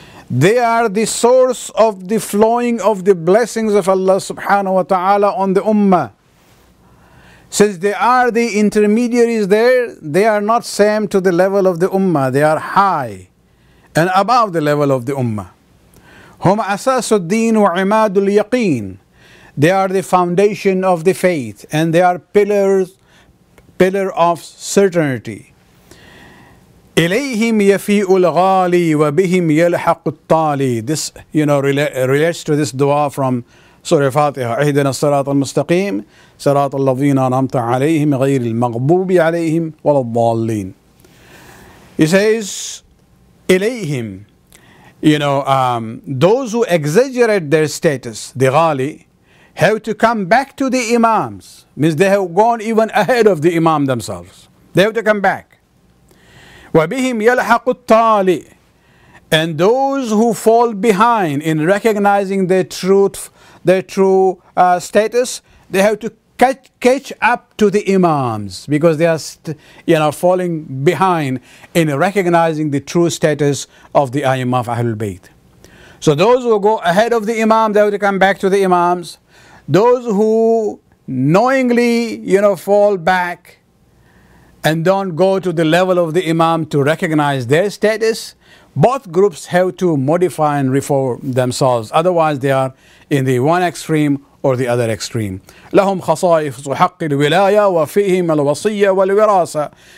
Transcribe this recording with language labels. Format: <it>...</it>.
<en>They are the source of the flowing of the blessings of Allah subhanahu wa ta'ala on the Ummah. Since they are the intermediaries there, they are not same to the level of the Ummah. They are high and above the level of the Ummah.</en> <ar>هم أساس الدين وعماد اليقين.</ar> <en>They are the foundation of the faith and they are pillar of certainty.</en> <ar>إليهم يفيء الغالي وبهم يلحق الطالي.</ar> <en>This, you know, relates to this dua from Surah Fatiha.</en> <ar>اهدنا الصراط المستقيم صراط الذين أنعمت عليهم غير المغضوب عليهم ولا الضالين.</ar> <en>He says, إليهم. You know, those who exaggerate their status, the ghali, have to come back to the imams. Means they have gone even ahead of the imam themselves. They have to come back.</en> <ar>وَبِهِمْ يَلْحَقُ الطَّالِ.</ar> <en>And those who fall behind in recognizing their true status, they have to catch up to the imams because they are, falling behind in recognizing the true status of the Imam of Ahlul Bayt. So those who go ahead of the imams, they have to come back to the imams. Those who knowingly, fall back and don't go to the level of the imam to recognize their status, both groups have to modify and reform themselves. Otherwise, they are in the one extreme or the other extreme.</en> <ar>لهم خصائف حق الولاية وفيهم الوصية والوراثة.</ar>